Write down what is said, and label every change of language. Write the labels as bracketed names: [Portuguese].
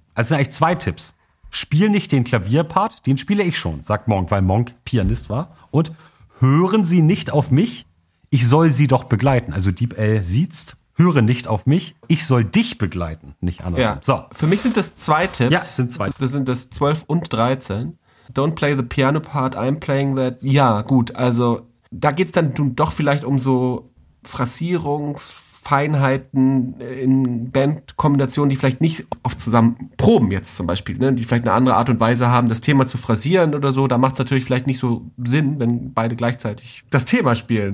[German] Also sind eigentlich zwei Tipps. Spiel nicht den Klavierpart, den spiele ich schon, sagt Monk, weil Monk Pianist war. Und hören Sie nicht auf mich, ich soll Sie doch begleiten. Also Deep L siezt, höre nicht auf mich, ich soll dich begleiten, nicht andersrum. Ja. So. Für mich sind das zwei Tipps. Ja, sind zwei. Das sind das 12 und 13. [English] Don't play the piano part, I'm playing that. [German] Ja, gut, also da geht es dann doch vielleicht um so Phrasierungsfeinheiten in Bandkombinationen, die vielleicht nicht oft zusammen proben jetzt zum Beispiel, ne? Die vielleicht eine andere Art und Weise haben, das Thema zu phrasieren oder so. Da macht es natürlich vielleicht nicht so Sinn, wenn beide gleichzeitig das Thema spielen.